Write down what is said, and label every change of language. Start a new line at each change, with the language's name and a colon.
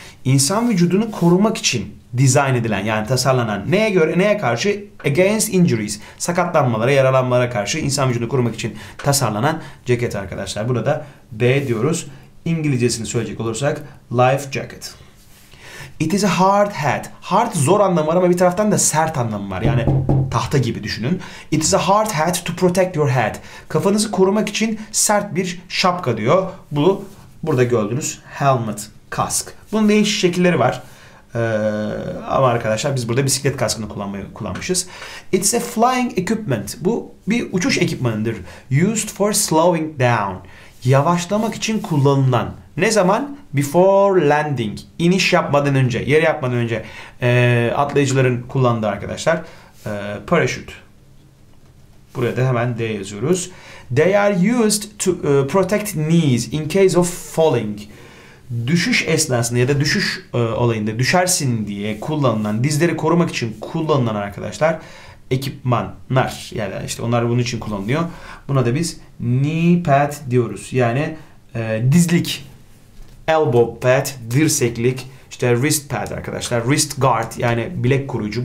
Turkish: İnsan vücudunu korumak için dizayn edilen, yani tasarlanan. Neye göre? Neye karşı?
English: Against injuries.
Turkish: Sakatlanmalara, yaralanmalara karşı insan vücudunu korumak için tasarlanan ceket arkadaşlar. Buna da B diyoruz. İngilizcesini söyleyecek olursak life jacket.
English: It is a hard hat.
Turkish: Hard zor anlamı var ama bir taraftan da sert anlamı var. Yani tahta gibi düşünün.
English: It is a hard hat to protect your head.
Turkish: Kafanızı korumak için sert bir şapka diyor. Bu burada gördüğünüz helmet, kask. Bunun değişik şekilleri var. Ama arkadaşlar biz burada bisiklet kaskını kullanmışız.
English: It's a flying equipment.
Turkish: Bu bir uçuş ekipmanıdır.
English: Used for slowing down.
Turkish: Yavaşlamak için kullanılan. Ne zaman?
English: Before landing.
Turkish: İniş yapmadan önce, yere yapmadan önce atlayıcıların kullandığı arkadaşlar. Parachute. Buraya da hemen D yazıyoruz.
English: They are used to protect knees in case of falling.
Turkish: Düşüş esnasında ya da düşüş olayında düşersin diye kullanılan, dizleri korumak için kullanılan arkadaşlar ekipmanlar. Yani işte onlar bunun için kullanılıyor. Buna da biz knee pad diyoruz. Yani dizlik, elbow pad, dirseklik, işte wrist pad arkadaşlar, wrist guard yani bilek koruyucu.